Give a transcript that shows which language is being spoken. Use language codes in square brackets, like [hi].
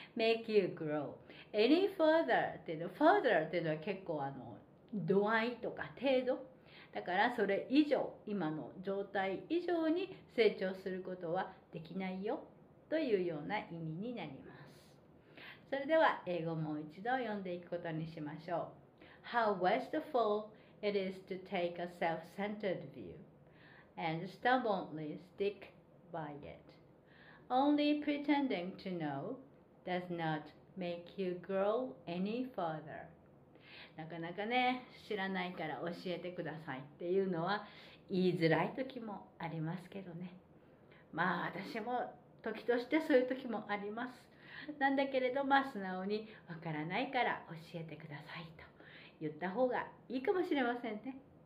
[en] make you grow any further [ja] っていうの、 further っていうのは結構度合いとか程度だから、それ以上、今の状態以上に成長することはできないよ、というような意味になります。それでは英語もう一度読んでいくことにしましょう。 [en] How wasteful it is to take a self-centered view and stubbornly stick by it. Only pretending to know does not make you grow any further. [ja] なかなかね、知らないから教えてくださいっていうのは言いづらい時もありますけどね。まあ私も時としてそういう時もあります。なんだけれど、まあ素直にわからないから教えてくださいと言った方がいいかもしれませんね。